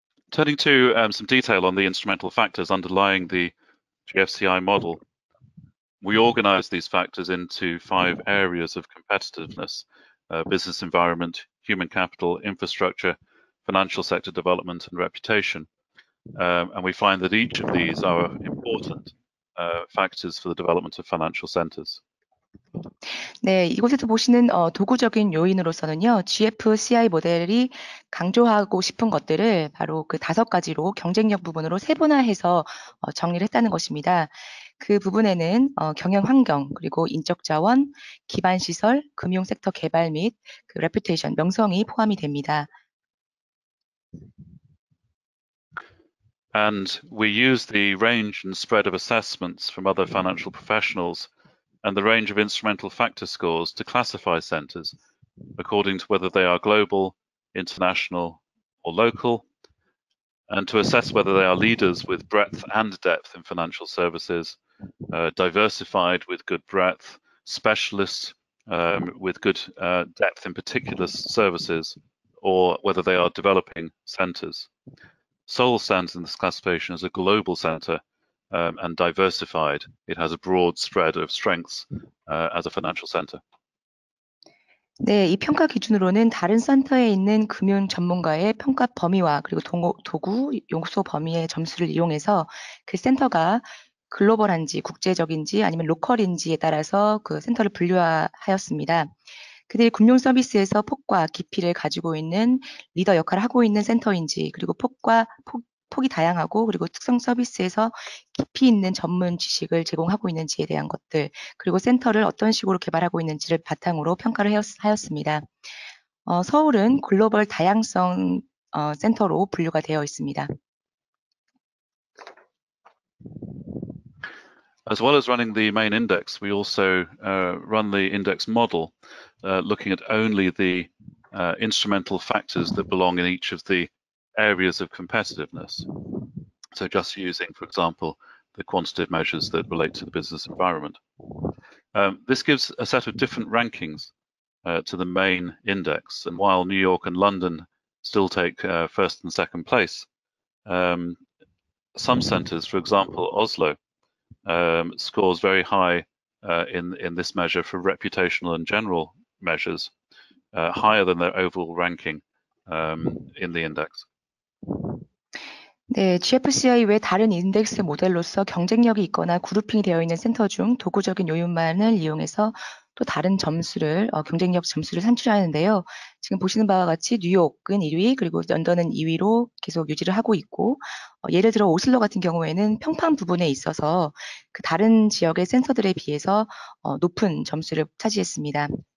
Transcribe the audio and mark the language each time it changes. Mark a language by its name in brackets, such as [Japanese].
[English] Turning to some detail on the instrumental factors underlying the GFCI model, we organize these factors into five areas of competitiveness: business environment, human capital, infrastructure, financial sector development, and reputation. And we find that each of these are important factors for the development of financial centers. [Korean] 네, 이곳에서 보시는 도구적인 요인으로서는요, GFCI 모델이 강조하고 싶은 것들을 바로 그 다섯 가지로 경쟁력 부분으로 세분화해서 정리를 했다는 것입니다. 그 부분에는 경영 환경, 그리고 인적 자원, 기반 시설, 금융 섹터 개발 및 그 레퓨테이션, 명성이 포함이 됩니다. [English] And we use the range and spread of assessments from other financial professionals and the range of instrumental factor scores to classify centers according to whether they are global, international, or local, and to assess whether they are leaders with breadth and depth in financial services, diversified with good breadth, specialists with good depth in particular services, or whether they are developing centers. Seoul stands in this classification as a global center and diversified. It has a broad spread of strengths as a financial center. [Korean] 네, 이 평가 기준으로는 다른 센터에 있는 금융 전문가의 평가 범위와 그리고 도구 용소 범위의 점수를 이용해서 그 센터가 글로벌한지 국제적인지 아니면 로컬인지에 따라서 그 센터를 분류하였습니다. 그들이 금융 서비스에서 폭과 깊이를 가지고 있는 리더 역할을 하고 있는 센터인지 그리고 폭이 다양하고 그리고 특성 서비스에서 깊이 있는 전문 지식을 제공하고 있는지에 대한 것들 그리고 센터를 어떤 식으로 개발하고 있는지를 바탕으로 평가를 하였습니다. 서울은 글로벌 다양성 센터로 분류가 되어 있습니다. [English] As well as running the main index, we also run the index model looking at only the instrumental factors that belong in each of the areas of competitiveness. So just using, for example, the quantitative measures that relate to the business environment. This gives a set of different rankings to the main index. And while New York and London still take first and second place, some centres, for example, Oslo, scores very high in this measure for reputational and general measures, higher than their overall ranking in the index. [Korean] 네, GFCI 외 다른 인덱스 모델로서 경쟁력이 있거나 그룹핑이 되어 있는 센터 중 도구적인 요인만을 이용해서 또 다른 점수를 경쟁력 점수를 산출하는데요. 지금 보시는 바와 같이 뉴욕은 1위, 그리고 런던은 2위로 계속 유지를 하고 있고 예를 들어 오슬로 같은 경우에는 평판 부분에 있어서 그 다른 지역의 센터들에 비해서 높은 점수를 차지했습니다.